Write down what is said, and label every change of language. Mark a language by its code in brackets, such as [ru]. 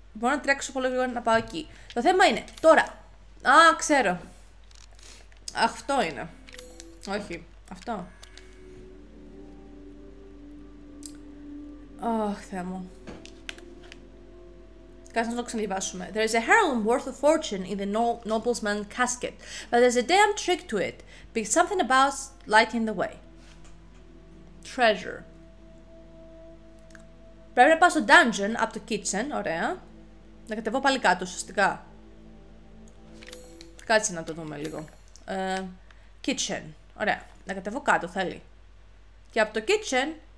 [el] Μπορώ να τρέξω πολύ γρήγορα να πάω εκεί. Το θέμα είναι, τώρα. Α, ξέρω. Αυτό είναι. Όχι, αυτό. Αχ, Θεέ μου. κάτσε να το ξαναδιαβάσουμε. [en] There is a heirloom worth a fortune in the nobleman's casket, but there's a damn trick to it. Be something about lighting the way. Treasure. [el] Πρέπει να πάω στο dungeon από το kitchen, ωραία. Να κατεβώ πάλι κάτω, ουσιαστικά. Κάτσε να το δούμε λίγο. Kitchen. Ωραία. Να κατεβώ κάτω, θέλει. Και από το kitchen.